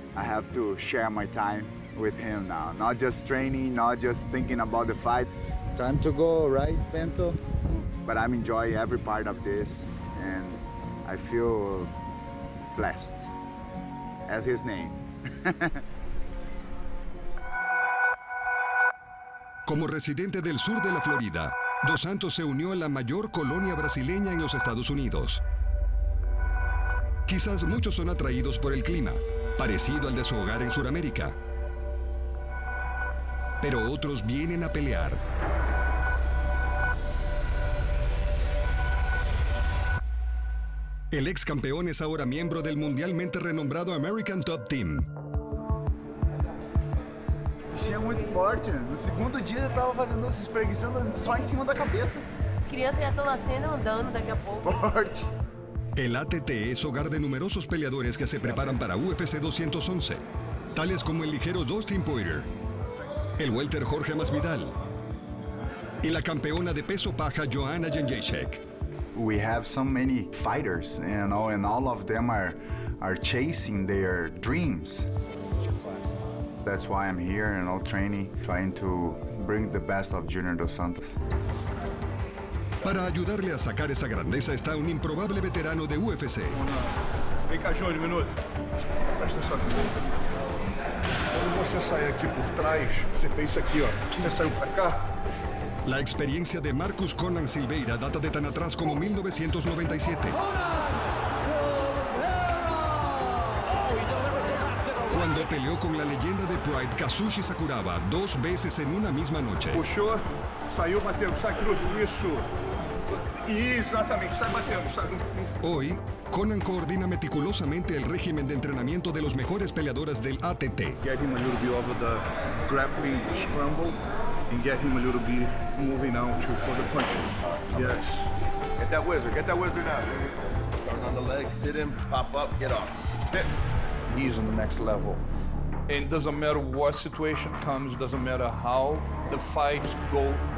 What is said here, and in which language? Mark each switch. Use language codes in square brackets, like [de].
[en] I have to share my time with him now, not just training, not just thinking about the fight. Time to go, right, Bento? But I'm enjoying every part of this, and I feel blessed as his name. [es] Como residente del sur de la Florida, Dos Santos se unió a la mayor colonia brasileña en los Estados Unidos. Quizás muchos son atraídos por el clima, parecido al de su hogar en Sudamérica. Pero otros vienen a pelear. El ex campeón es ahora miembro del mundialmente renombrado American Top Team. [pt] tinha muito forte. No segundo dia eu tava fazendo, se espreguiçando só em cima da cabeça. Criança já tá nascendo andando daqui a pouco. Forte. [es] El ATT es hogar de numerosos peleadores que se preparan para UFC 211, tales como el ligero Dustin Poirier, el welter Jorge Masvidal y la campeona de peso paja Joanna Jędrzejczyk. [en] We have so many fighters, you know, and all of them are chasing their dreams. That's why I'm here and all training, trying to bring the best of Junior Dos Santos. [es] Para ayudarle a sacar esa grandeza está un improbable veterano de UFC. [pt] Vem cá, Júnior, um minuto. Presta atenção. Quando você sair aqui por trás, você fez isso aqui, ó. Você saiu para cá. [es] La experiencia de Marcus Conan Silveira data de tan atrás como 1997. Cuando peleó con la leyenda de Pride, Kazushi Sakuraba, dos veces en una misma noche. [pt] Puxou, saiu, bateu, sai cruz, isso. Exactamente, sai batendo. [es] Hoy, Conan coordina meticulosamente el régimen de entrenamiento de los mejores peleadores del ATT. [en] Get him a little bit over the grappling scramble and get him a little bit moving out to for the punches. Yes. Get that wizard now. Starting on the leg, sit him, pop up, get off. He's on the next level. And it doesn't matter what situation comes, doesn't matter how the fights go.